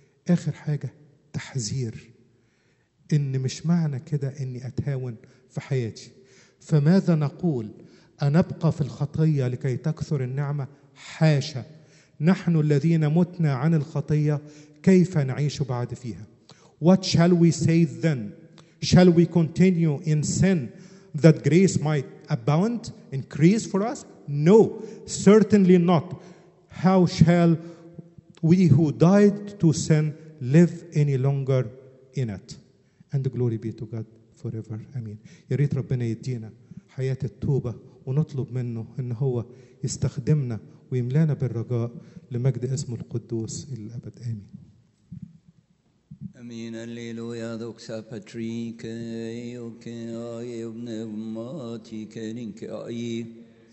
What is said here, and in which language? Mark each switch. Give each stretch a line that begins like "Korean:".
Arabic: آخر حاجة تحذير، إن مش معنى كده إني أتهاون في حياتي. فماذا نقول؟ أنبقى في الخطية لكي تكثر النعمة؟ حاشا، نحن الذين متنا عن الخطية كيف نعيش بعد فيها؟
English: What shall we say then? Shall we continue in sin that grace might abound, increase for us? No, certainly not. How shall we who died to sin live any longer in it? And glory be to God forever. Amen.
Arabic: يريد ربنا يدينا حياة التوبة ونطلب منه إن هو يستخدمنا ويملانا بالرجاء لمجد اسمه القدوس إلى الأبد. آمين. Amen. Alleluia. Doxa Patri. Kei o kei o ne mati kei kei.